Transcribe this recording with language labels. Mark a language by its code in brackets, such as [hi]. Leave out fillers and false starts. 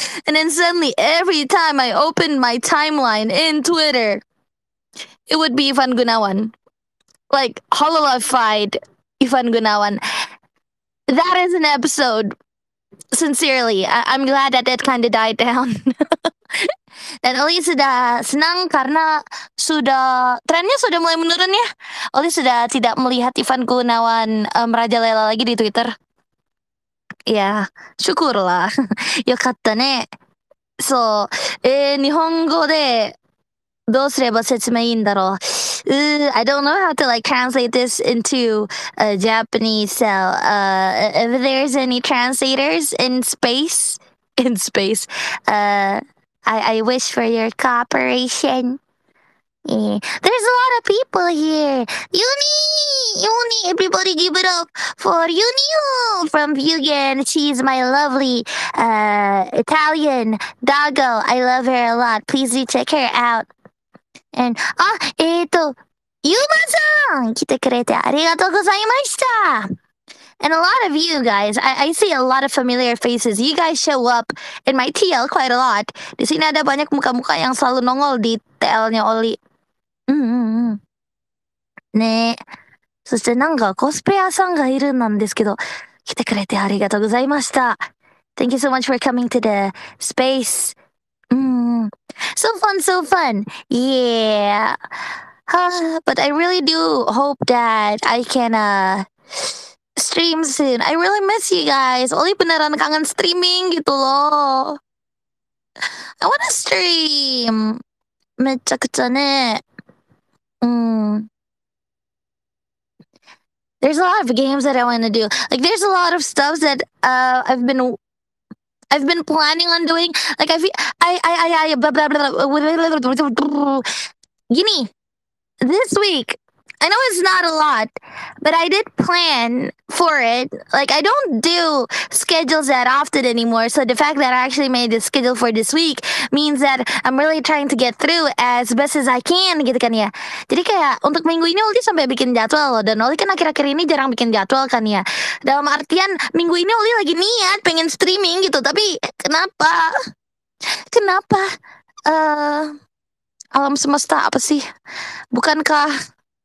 [en] And then suddenly every time I open my timeline in Twitter, it would be Ivan Gunawan. Like, Hololive-fied Ivan Gunawan. That is an episode. Sincerely, I'm glad that it kind of died down. [id] Dan Oli sudah senang karena trennya sudah mulai menurun ya. Oli sudah tidak melihat Ivan Gunawan merajalela lagi di Twitter. Ya, syukurlah. [ja] Yokatta ne. So, Nihongo de どうすれば説明いいんだろう? [en] I don't know how to like translate this into Japanese, so if there's any translators in space, I wish for your cooperation. There's a lot of people here. Uni! Uni! Everybody give it up for Uni from Fugan. She's my lovely Italian doggo. I love her a lot. Please do check her out. And, Yuma-san! [ja] 来てくれてありがとうございました! [en] And a lot of you guys, I see a lot of familiar faces. You guys show up in my TL quite a lot. [id] Di sini ada banyak muka-muka yang selalu nongol di TL-nya Oli. [ja] ねえ。そしてなんかコスプレヤーさんがいるなんですけど、来てくれてありがとうございました。 [en] Thank you so much for coming to the space. So fun, so fun. Yeah. But I really do hope that I can, stream soon. I really miss you guys. [id] Oli beneran kangen streaming gitu loh. [en] I wanna stream. [ja] めっちゃくちゃね。 [en] There's a lot of games that I want to do. Like, there's a lot of stuff that I've been planning on doing. Like, Gini, this week, I know it's not a lot, but I did plan for it. Like, I don't do schedules that often anymore. So the fact that I actually made the schedule for this week means that I'm really trying to get through as best as I can, gitu kan ya. [id] Jadi kayak untuk minggu ini Oli sampai bikin jadwal loh. Dan Oli kan akhir-akhir ini jarang bikin jadwal kan ya. Dalam artian minggu ini Oli lagi niat pengen streaming gitu. Tapi kenapa? Kenapa? Alam semesta apa sih? Bukankah?